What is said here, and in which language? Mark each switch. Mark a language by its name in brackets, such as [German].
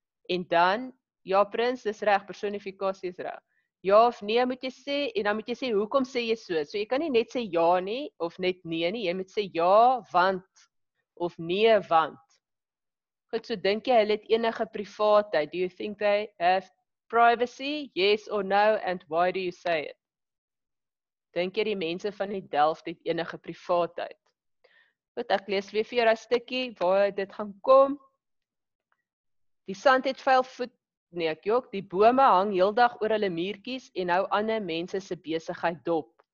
[Afrikaans] En dan, ja prins, dis reg, personifikasie is reg. Ja of nee moet jy sê, en dan moet jy sê, hoekom sê jy so? So jy kan nie net sê ja nie, of net nee nie, jy moet sê ja, want, of nee, want. Goed, so dink jy hulle het enige privaatheid? [English] Do you think they have privacy? Yes or no, and why do you say it? [Afrikaans] Dink jy die mense van die Delft het enige privaatheid? Goed, ek lees weer vir jou 'n stukkie, waar dit gaan kom. Die sand het vuil voet, nee ek jok, die bome hang heel dag oor hulle muurtjies en hou ander mense se besigheid dop.